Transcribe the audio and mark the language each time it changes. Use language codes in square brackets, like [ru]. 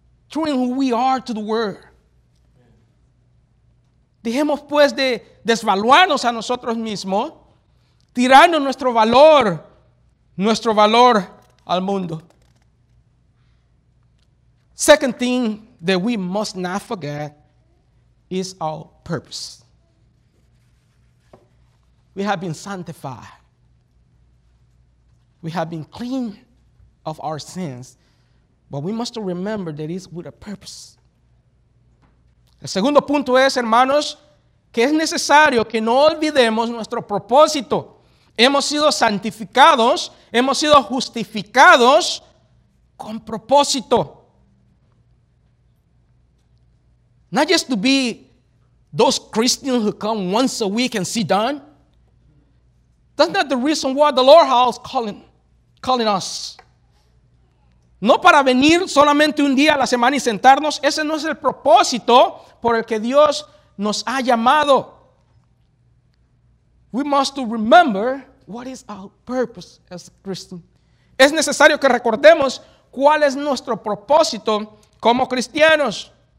[en] Truing who we are to the world. [es] Dejemos pues de desvaluarnos a nosotros mismos, tirando nuestro valor al mundo. [en] Second thing that we must not forget is our purpose. We have been sanctified. We have been cleaned of our sins. But we must remember that it's with a purpose. [es] El segundo punto es, hermanos, que es necesario que no olvidemos nuestro propósito. Hemos sido santificados, hemos sido justificados con propósito. [en] Not just to be those Christians who come once a week and sit down. That's not the reason why the Lord has calling us. [es] No para venir solamente un día a la semana y sentarnos. Ese no es el propósito por el que Dios nos ha llamado. [en] We must remember what is our purpose as Christians. [es] Es necesario que recordemos cuál es nuestro propósito como cristianos.